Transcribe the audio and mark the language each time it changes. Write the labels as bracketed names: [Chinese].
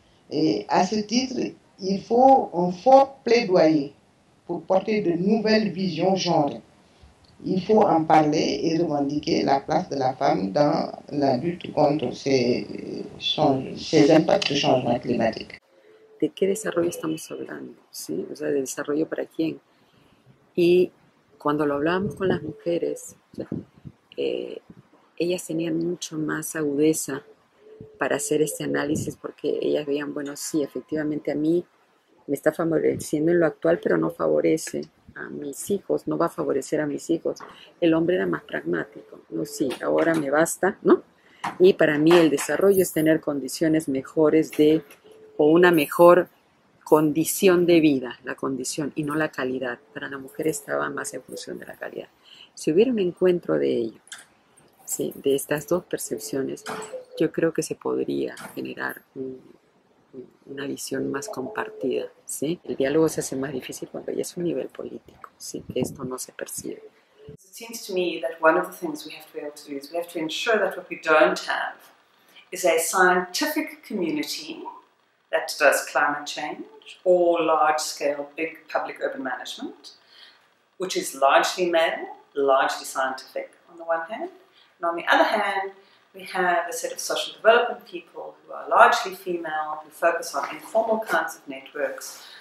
[French] Et à ce titre, il faut un fort plaidoyer pour porter de nouvelles visions genrées. Il faut en parler et revendiquer la place de la femme dans la lutte contre ces impacts du changement climatique. [Spanish] ¿De qué desarrollo estamos hablando? ¿Sí? O sea, ¿de desarrollo para quién? Y cuando lo hablábamos con las mujeres, ellas tenían mucho más agudeza para hacer este análisis porque ellas veían, bueno, sí, efectivamente a mí me está favoreciendo en lo actual, pero no favorece a mis hijos, no va a favorecer a mis hijos. El hombre era más pragmático, no, sí, ahora me basta, ¿no? Y para mí el desarrollo es tener condiciones mejores de, o una mejor condición de vida, la condición, y no la calidad. Para la mujer estaba más en función de la calidad. Si hubiera un encuentro de ello, ¿sí?, de estas dos percepciones, yo creo que se podría generar una visión más compartida, ¿sí? El diálogo se hace más difícil cuando ya es un nivel político, ¿sí? Que esto no se percibe. [English] It seems to me that one of the things we have to be able to do is we have to ensure that what we don't have is a scientific community that does climate change or large-scale big public urban management, which is largely male, largely scientific on the one hand, and on the other hand, we have a set of social development people who are largely female, who focus on informal kinds of networks